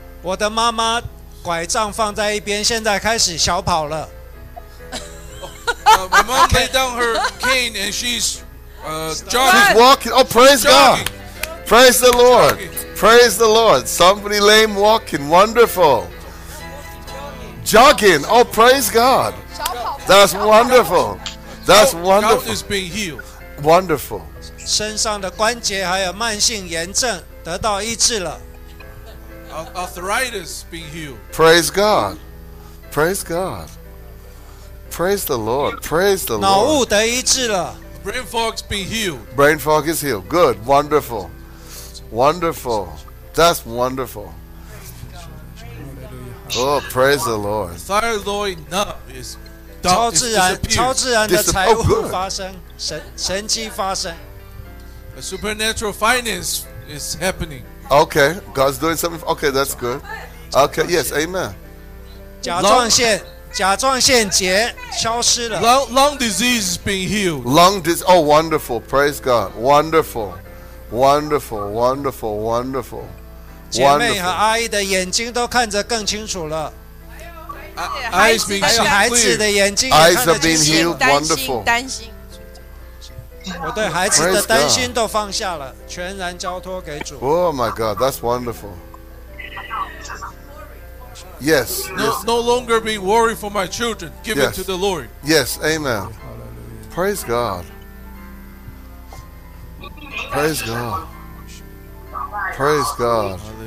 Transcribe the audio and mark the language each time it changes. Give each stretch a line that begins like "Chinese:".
Chinese: 我的妈妈拐杖放在一边，现在开始小跑了。
English: My mom laid down her cane and she's jogging. She's walking. Oh, praise God. Praise the Lord. Praise the Lord. Somebody lame walking. Wonderful. Jogging. Oh, praise God. That's wonderful. That's wonderful. Gout is being healed. Wonderful.
Chinese: 身上的关节还有慢性炎症得到医治了。
English: Arthritis being healed. Praise God. Praise God. Praise the Lord. Praise the Lord.
Chinese: 脑雾得医治了。
English: Brain fog's been healed. Brain fog is healed. Good. Wonderful. Wonderful. That's wonderful. Oh, praise the Lord. Thyroid nut is
Chinese: 超自然的财务发生，神迹发生。
English: A supernatural finance is happening. Okay, God's doing something. Okay, that's good. Okay, yes, amen.
Chinese: 甲状腺。甲状腺结消失了。
English: Lung disease is being healed. Lung disease. Oh, wonderful. Praise God. Wonderful. Wonderful. Wonderful. Wonderful.
Chinese: 姐妹和阿姨的眼睛都看着更清楚了。
English: Eyes being healed.
Chinese: 还有孩子的眼睛也看得清楚。
English: Eyes are being healed. Wonderful.
Chinese: 担心。我对孩子的担心都放下了，全然交托给主。
English: Oh my God, that's wonderful. Yes, yes. No longer be worried for my children. Give it to the Lord. Yes, amen. Praise God. Praise God. Praise God.